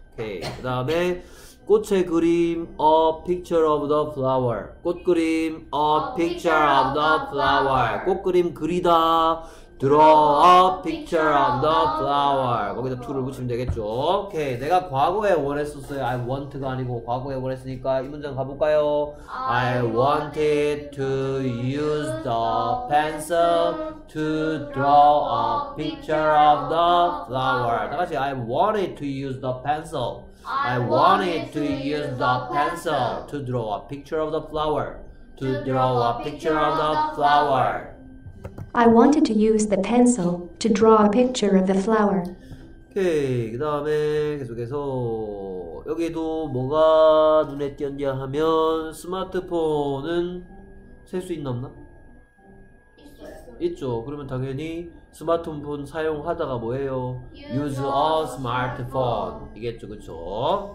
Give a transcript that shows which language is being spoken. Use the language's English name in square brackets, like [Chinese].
[Korean] 오케이. 그 다음에 꽃의 그림. [English] A picture of the flower. [Korean] 꽃 그림. [English] A picture of the flower. [Korean] 꽃 그림 그리다. [English] Draw a picture of the flower. [Korean] 거기다 to를 붙이면 되겠죠. 오케이. 내가 과거에 원했었어요. [English] I want [Korean] 가 아니고 과거에 원했으니까 이 문장 가볼까요? [English] I wanted to use the pencil to draw a picture of the flower. [Korean] 다 같이 [English] I wanted to use the pencil. I wanted to use the pencil to draw a picture of the flower. To draw a picture of the flower. I wanted to use the pencil to draw a picture of the flower. [Korean] 오케이, 그 다음에 계속해서 여기도 뭐가 눈에 띄었냐 하면 스마트폰은 셀 수 있나 없나? 있죠. 그러면 당연히 스마트폰 사용하다가 뭐예요? [English] Use a smartphone [Korean] 이겠죠, 그쵸?